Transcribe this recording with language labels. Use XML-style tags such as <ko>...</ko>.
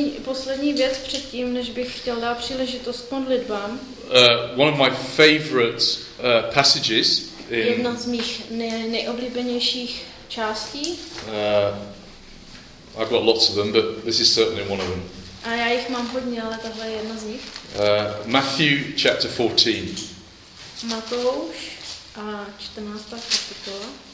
<cs>poslední věc předtím, než bych chtěl dát příležitost k modlitbám.</cs> <en>One of my favorite passages in</en> <cs>jedna z mých nejoblíbenějších částí.</cs> <en>I've got lots of them, but this is certainly one of them.</en> <cs>A já jich mám hodně, ale tohle je jedna z nich.</cs> <en>Matthew chapter 14.</en> <cs>Matouš a 14. kapitola.</cs>